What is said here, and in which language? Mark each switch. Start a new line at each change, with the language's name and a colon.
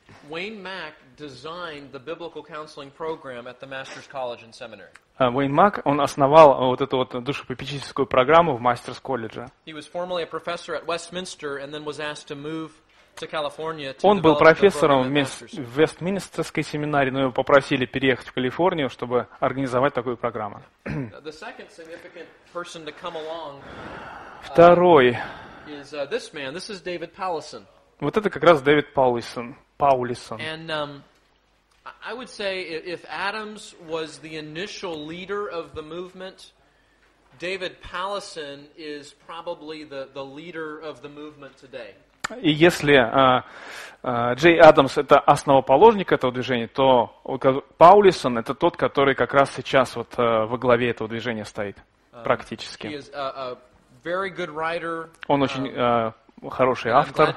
English: Уэйн Мак designed the biblical counseling program at the Master's College and Seminary.
Russian: Уэйн Мак, он основал вот эту вот душепопечительскую программу в Мастерс колледже.
English: He was formerly a professor at Westminster and then was asked to move to California to.
Russian: Он был профессором в Вестминстерской семинарии, но его попросили переехать в Калифорнию, чтобы организовать такую программу.
English: The second significant person to come along.
Russian: Второй.
English: Is this man. This is David Paulison.
Russian: Вот это как раз Дэвид Паулисон. Паулисон.
English: And I would say if Adams was the initial leader of the movement, David Paulison is probably the leader of the movement today.
Russian: И если Джей Адамс это основоположник этого движения, то Паулисон это тот, который как раз сейчас вот во главе этого движения стоит практически.
English: He is a very good writer.
Russian: Он очень хороший автор.